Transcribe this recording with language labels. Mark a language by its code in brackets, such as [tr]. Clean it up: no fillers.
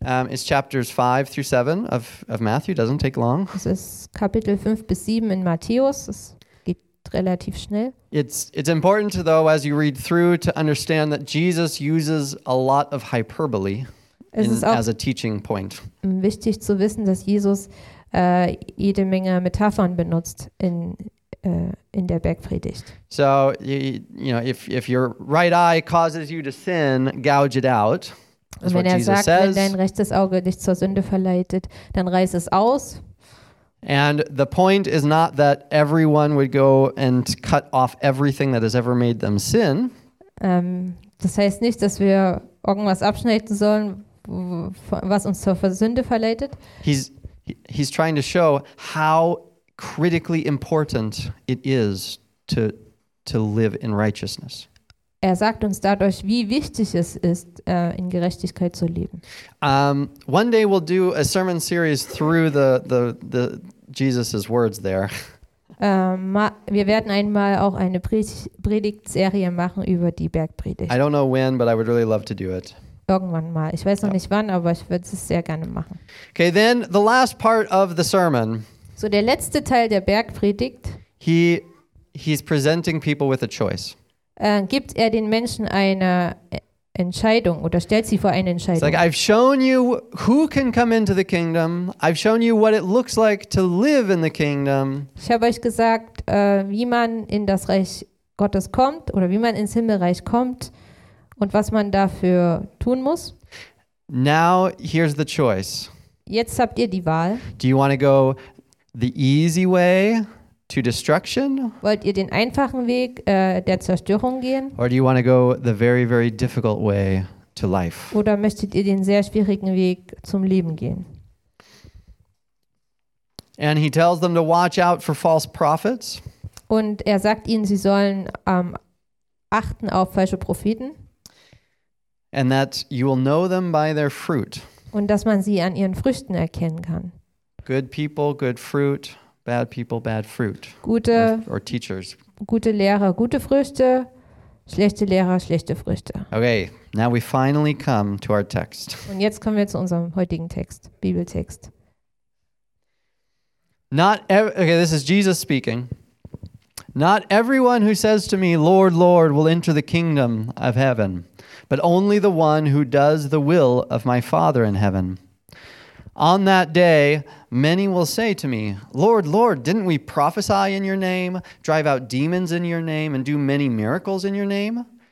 [en] It's chapters 5 through 7 of Matthew. Doesn't take long. [de] Es ist Kapitel 5 bis 7 in Matthäus. Es geht relativ schnell. [en] It's important though, as you read through, to understand that Jesus uses a lot of hyperbole. [de] Es ist auch [en] as a teaching point. [de] Wichtig zu wissen, dass Jesus jede Menge Metaphern benutzt in der Bergpredigt. [en] So, you know, if your right eye causes you to sin, gouge it out. [de] Und wenn er sagt, wenn dein rechtes Auge dich zur Sünde verleitet, dann reiß es aus. [en] And the point is not that everyone would go and cut off everything that has ever made them sin. [de] Das heißt nicht, dass wir irgendwas abschneiden sollen, was uns zur Sünde verleitet. [en] He's trying to show how critically important it is to live in righteousness. [de] Er sagt uns dadurch, wie wichtig es ist, in Gerechtigkeit zu leben. [en] One day we'll do a sermon series through the Jesus's words there. [de] Wir werden einmal auch eine Predigtserie machen über die Bergpredigt. [en] I don't know when, but I would really love to do it. [de] Irgendwann mal. Ich weiß noch nicht wann, aber ich würde es sehr gerne machen. [en] Okay, then the last part of the sermon. [de] So der letzte Teil der Bergpredigt. [en] He's presenting people with a choice. [de] Gibt er den Menschen eine Entscheidung oder stellt sie vor eine Entscheidung? [en] It's like, I've shown you who can come into the kingdom. I've shown you what it looks like to live in the kingdom. [de] Ich habe euch gesagt, wie man in das Reich Gottes kommt oder wie man ins Himmelreich kommt und was man dafür tun muss. [en] Now here's the choice. [de] Jetzt habt ihr die Wahl. [en] Do you want to go the easy way to destruction? [de] Wollt ihr den einfachen Weg der Zerstörung gehen? [en] Or do you want to go the very, very difficult way to life? [de] Oder möchtet ihr den sehr schwierigen Weg zum Leben gehen? [en] And he tells them to watch out for false prophets. [de] Und er sagt ihnen, sie sollen achten auf falsche Propheten. [en] And that you will know them by their fruit. [de] Und dass man sie an ihren Früchten erkennen kann. [en] Good people, good fruit. Bad people, bad fruit. [de] Gute [en] or teachers. [de] Gute Lehrer, gute Früchte. Schlechte Lehrer, schlechte Früchte. [en] Okay, now we finally come to our text. [de] Und jetzt kommen wir zu unserem heutigen Text, Bibeltext. [en] This is Jesus speaking. Not everyone who says to me, Lord, Lord, will enter the kingdom of heaven, but only the one who does the will of my Father in heaven. On that day, many will say to me, Lord, Lord, didn't we prophesy in your name, drive out demons in your name, and do many miracles in your name?